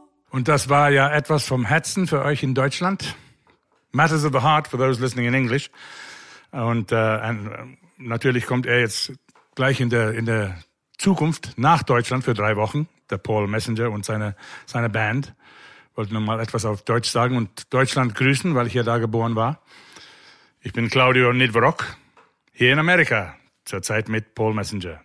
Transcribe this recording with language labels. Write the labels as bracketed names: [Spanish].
[German] Und das war ja etwas vom Herzen für euch in Deutschland. [English] Matters of the Heart for those listening in English. [German] Und natürlich kommt er jetzt gleich in der Zukunft nach Deutschland für 3 Wochen, der Paul Messenger und seine Band. Wollte nochmal etwas auf Deutsch sagen und Deutschland grüßen, weil ich ja da geboren war. Ich bin Claudio Nidwrock, hier in Amerika, zurzeit mit Paul Messenger.